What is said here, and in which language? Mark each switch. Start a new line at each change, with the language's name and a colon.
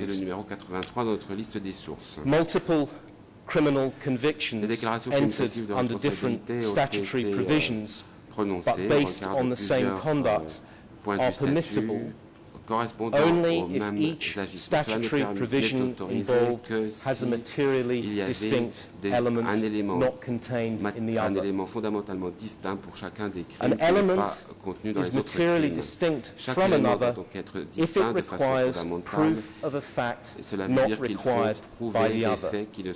French: Et c'est le numéro 83 de notre liste des sources.
English: Multiple criminal convictions entered under different statutory provisions, but based on the same conduct, are permissible only if each statutory provision involved has a materially distinct element not contained in the other.
French: Un élément fondamentalement distinct pour chacun des crimes.
English: An element is materially distinct from another if it requires proof of a fact not required by the other.